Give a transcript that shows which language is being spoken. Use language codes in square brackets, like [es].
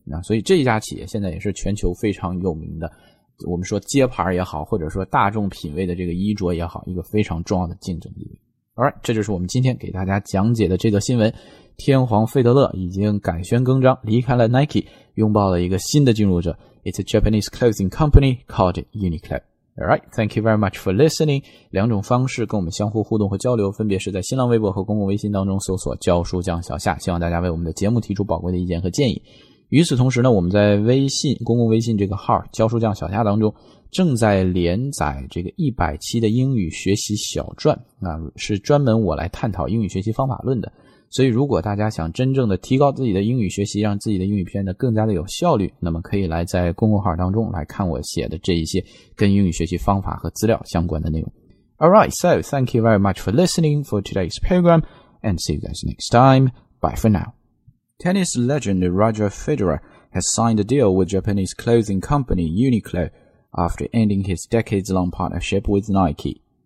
[zh] 那所以这家企业现在也是全球非常有名的，我们说街牌也好，或者说大众品味的这个衣着也好，一个非常重要的竞争力。 Alright, 这就是我们今天给大家讲解的这个新闻。天皇费德勒已经改弦更张，离开了 Nike, 拥抱了一个新的进入者。 [en] It's a Japanese clothing company called Uniqlo. Alright, thank you very much for listening. [zh] 两种方式跟我们相互互动和交流，分别是在新浪微博和公共微信当中搜索教书匠小夏，希望大家为我们的节目提出宝贵的意见和建议。与此同时呢，我们在微信公共微信这个号教书匠小夏当中正在连载这个100期的英语学习小传，那是专门我来探讨英语学习方法论的。所以如果大家想真正的提高自己的英语学习，让自己的英语变得更加的有效率，那么可以来在公众号当中来看我写的这一些跟英语学习方法和资料相关的内容。 [en] Alright, so thank you very much for listening for today's program, and see you guys next time. Bye for now. Tennis legend Roger Federer has signed a deal with Japanese clothing company Uniqlo after ending his decades-long partnership with Nike.